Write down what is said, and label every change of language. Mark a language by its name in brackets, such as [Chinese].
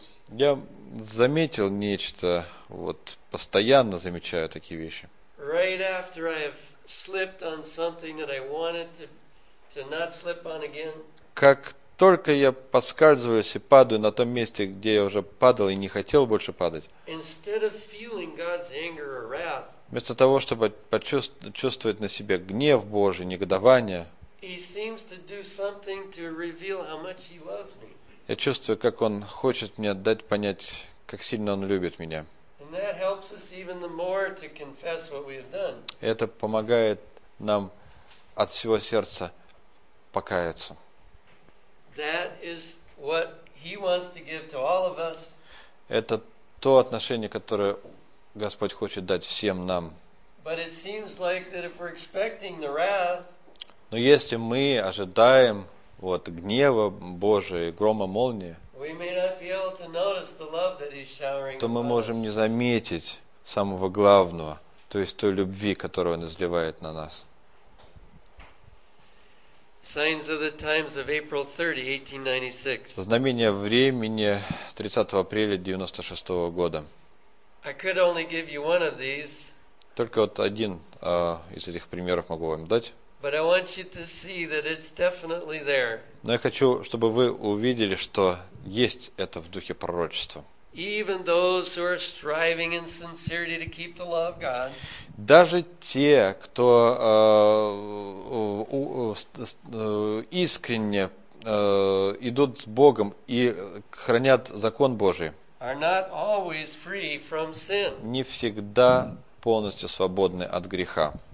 [Russian] Я заметил нечто, вот постоянно замечаю такие вещи. [English] Right after I have slipped on something that I wanted to not slip on again. [Russian] Как только я поскальзываюсь и падаю на том месте, где я уже падал и не хотел больше падать. [English] Instead of feeling God's anger or wrath. [Russian] Вместо того, чтобы чувствовать на себе гнев Божий, негодование. [English] He seems to do something to reveal how much he loves me. [Russian] Я чувствую, как он хочет мне дать понять, как сильно он любит меня. [English] That helps us even the more to confess what we have done. [Russian] Это помогает нам от всего сердца покаяться. [English] That is what he wants to give to all of us. [Russian] Это то отношение, которое Господь хочет дать всем нам. [English] But it seems like that if we're expecting the wrath. [Russian] Но если мы ожидаем вот гнева Божия, грома молнии, [English] we may not be able to notice the love that he's showering upon us. [Russian] То мы можем не заметить самого главного, то есть той любви, которую он изливает на нас. [English] Signs of the times of April 30, 1896. [Russian] Знамения времени 30 апреля 96 года. [English] I could only give you one of these. [Russian] Только вот один из этих примеров могу вам дать. [English] But I want you to see that it's definitely there. [Russian] Но я хочу, чтобы вы увидели, что есть это в духе пророчества. [English] Even those who are striving in sincerity to keep the law of God. [Russian] Даже те, кто искренне идут с Богом и хранят закон Божий. [English] Are not always free from sin. [Russian] Не всегда полностью свободны от греха.